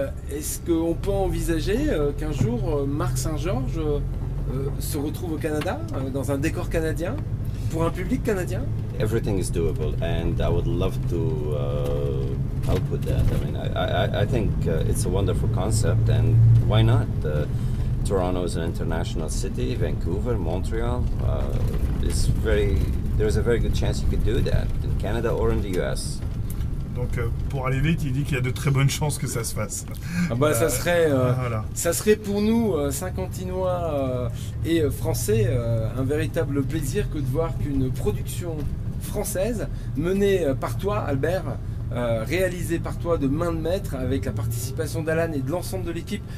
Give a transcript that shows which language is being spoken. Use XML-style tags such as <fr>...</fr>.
<fr>Est-ce qu'on peut envisager qu'un jour Marc Saint-Georges se retrouve au Canada dans un décor canadien pour un public canadien?</fr> <en>Everything is doable and I would love to help with that. I mean, I think it's a wonderful concept and why not? Toronto is an international city, Vancouver, Montreal, there's a very good chance you could do that in Canada or in the US.</en> <fr>Donc, pour aller vite, il dit qu'il y a de très bonnes chances que ça se fasse. Ah bah, ça serait pour nous, Saint-Quentinois et Français, un véritable plaisir que de voir qu'une production française menée par toi, Albert, réalisée par toi de main de maître avec la participation d'Alan et de l'ensemble de l'équipe.</fr>